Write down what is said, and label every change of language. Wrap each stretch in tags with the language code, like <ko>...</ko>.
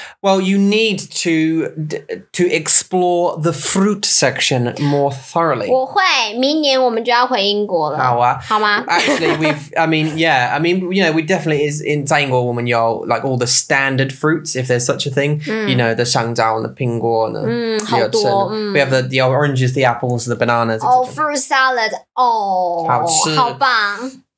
<en>Well, you need to explore the fruit section more thoroughly.</en> <zh>我会，明年我们就要回英国了。好啊，好吗？</zh> <en>Actually, you know, we definitely is in</en> <zh>在英国我们有</zh> <en>like all the standard fruits, if there's such a thing.、嗯、 you know, the</en> <zh>香蕉</zh> <en>and the</en> <zh>苹果</zh> <en>呢？</en> <zh>嗯，好多。嗯、</zh> <en>we have the oranges, the apples, the bananas. Oh, fruit salad. Oh,</en> <zh>好吃，好棒。</zh>